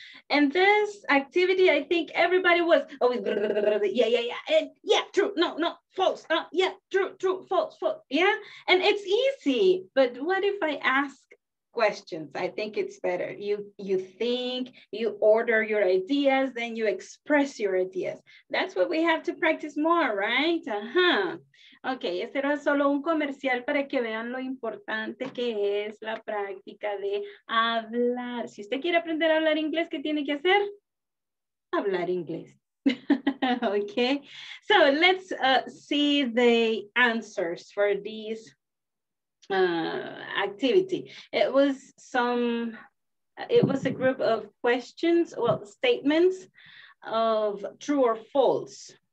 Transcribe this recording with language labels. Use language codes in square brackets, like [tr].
[en] And this activity, I think everybody was, false. Yeah, and it's easy, but what if I ask questions? I think it's better. You think, you order your ideas, then you express your ideas. That's what we have to practice more, right? Uh-huh. [es] Okay, este era solo un comercial para que vean lo importante que es la práctica de hablar. Si usted quiere aprender a hablar inglés, ¿qué tiene que hacer? Hablar inglés. [en] Okay, so let's see the answers for this activity. It was a group of questions, well, statements of true or false.